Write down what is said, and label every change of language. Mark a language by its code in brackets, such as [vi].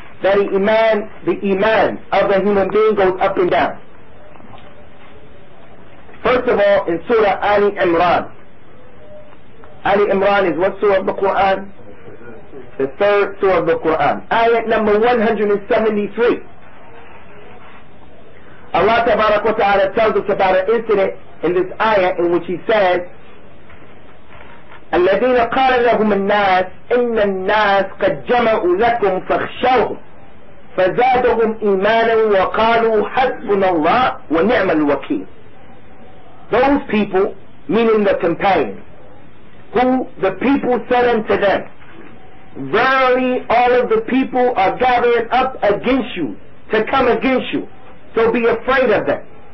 [en] that iman, the iman of the human being goes up and down. First of all, in Surah Ali Imran. Ali Imran is what Surah of the Quran? The third Surah of the Quran. Ayat number 173. Allah Tabarak wa Ta'ala tells us about an incident in this ayah in which he says, [ar] الَّذِينَ قَالَ لَهُمَ النَّاسِ إِنَّ النَّاسِ قَدْ جَمَعُوا لَكُمْ فَخْشَوْهُمْ فَزَادَهُمْ إِيمَانًا وَقَالُوا حَسْبُنَ اللَّهُ وَنِعْمَ الْوَكِيلُ. [en] Those people, meaning the companions, who the people said unto them, verily all of the people are gathering up against you, to come against you, so be afraid of them.